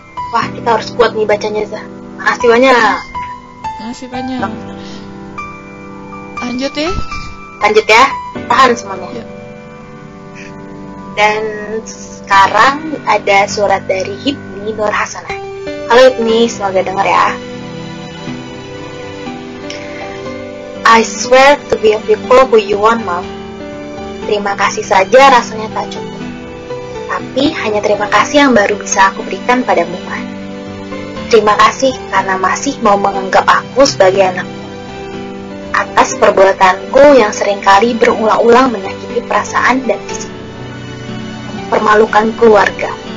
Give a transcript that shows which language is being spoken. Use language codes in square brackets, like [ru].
[id] Wah, kita harus kuat nih bacanya Zah, makasih banyak. Makasih banyak. Lanjut ya. Lanjut ya, tahan semuanya. Yuk. Dan sekarang ada surat dari Hibni Nur Hasanah. Halo Hibni, semoga dengar ya. [en] I swear to be a people who you want, Mom. [id] Terima kasih saja rasanya tak cukup. Tapi hanya terima kasih yang baru bisa aku berikan padamu, Mom. Terima kasih karena masih mau menganggap aku sebagai anakmu. Atas perbuatanku yang seringkali berulang-ulang menyakiti perasaan dan fisik, mempermalukan keluarga.